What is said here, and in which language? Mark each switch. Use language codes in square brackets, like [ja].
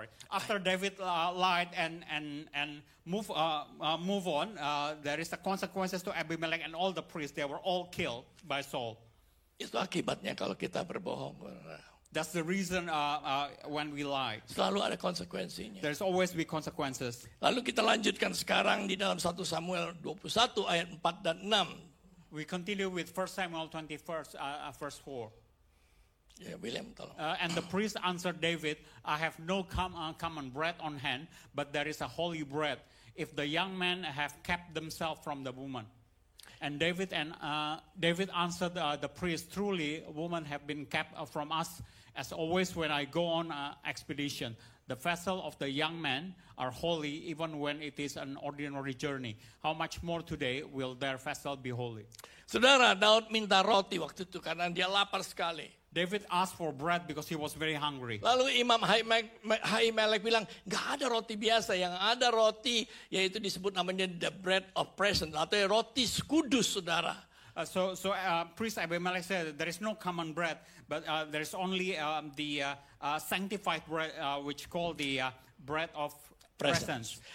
[en] After David lied and move on, there is a consequences to Abimelech and all the priests. They were all killed by Saul. [id] Itu akibatnya kalau kita berbohong. [en] That's the reason when we lie. [id] Selalu ada konsekuensinya. [en] There's always be consequences. [id] Lalu kita lanjutkan sekarang di dalam 1 Samuel 21 ayat 4 dan 6. [en] We continue with 1 Samuel 21 verse 4. [id] Yeah, William, tolong. [en] And the priest answered David, I have no common bread on hand, but there is a holy bread if the young men have kept themselves from the woman. And David answered the priest, truly, women have been kept from us, as always when I go on expedition. The vessel of the young men are holy, even when it is an ordinary journey. How much more today will their vessel be holy? [id] Saudara, Daud minta roti waktu itu karena dia lapar sekali. [en] David asked for bread because he was very hungry. [id] Lalu Imam Ahimelek bilang, gak ada roti biasa, yang ada roti yaitu disebut namanya [en] the bread of presence, [id] atau roti kudus, saudara. [en] So priest Abimelech said there is no common bread, but there is only sanctified bread which called the bread of presence.